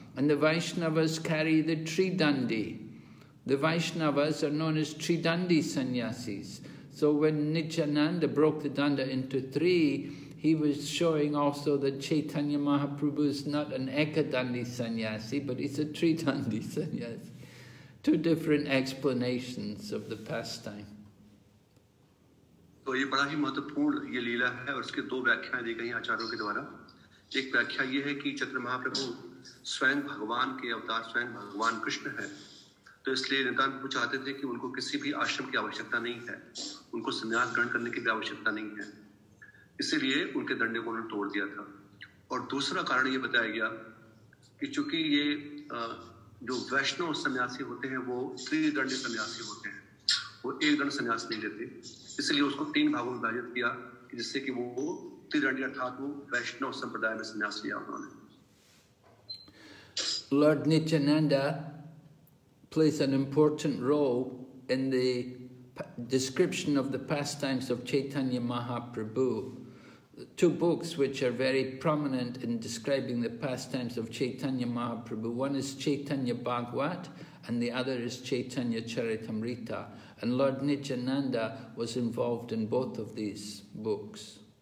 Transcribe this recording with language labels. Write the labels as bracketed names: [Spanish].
[English] And the Vaishnavas carry the Tridandi. The Vaishnavas are known as Tridandi sannyasis. So when Nityananda broke the danda into three, he was showing also that Chaitanya Mahaprabhu is not an ekadandi sannyasi, but he's a tridandi sannyasi. Two different explanations of the pastime. [Hindi] So, ये बड़ा ही महत्वपूर्ण ये लीला है और इसके दो व्याख्याएं दी गई आचार्यों के द्वारा. एक व्याख्या ये है कि चतुर महाप्रभु स्वयं भगवान के अवतार स्वयं भगवान कृष्ण है. तो इसलिए नितान पूछाते थे कि उनको किसी भी आश्रम की आवश्यकता नहीं है, उनको सन्यास ग्रहण करने की भी आवश्यकता नहीं है. इसीलिए उनके दंडे को उन्होंने तोड़ दिया था और दूसरा कारण ये बताया गया कि चूंकि ये जो वैष्णव सन्यासी होते हैं वो त्रिदंड सन्यासी होते हैं वो एक दंड सन्यास नहीं लेते इसलिए उसको तीन भागों में विभाजित किया कि जिससे कि वो त्रिदंड अर्थात वो वैष्णव संप्रदाय में सन्यास लिया उन्होंने [English] Lord Nityananda plays an important role in the description of the pastimes of Chaitanya Mahaprabhu, two books which are very prominent in describing the pastimes of Chaitanya Mahaprabhu. One is Chaitanya Bhagwat and the other is Chaitanya Charitamrita. And Lord Nityananda was involved in both of these books.